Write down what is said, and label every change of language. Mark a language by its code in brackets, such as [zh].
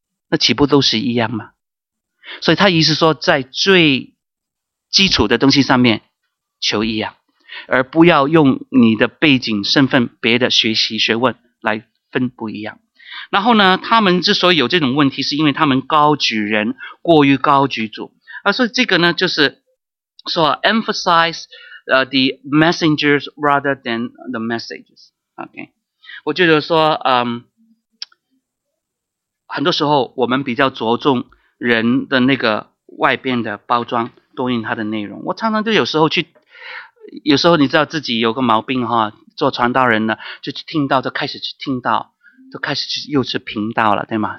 [zh] 那岂不都是一样吗？所以他意思说，在最基础的东西上面求一样，而不要用你的背景身份别的学习学问来分不一样。然后呢，他们之所以有这种问题，是因为他们高举人过于高举主啊。所以这个呢，就是说 [en] emphasizethe messengers rather than the messages. [zh] OK， 我觉得说，很多时候我们比较着重人的那个外边的包装，多于它的内容。我常常就有时候去，有时候你知道自己有个毛病哈，做传道人呢，就去听到，就开始去听到，就开始去又是频道了，对吗？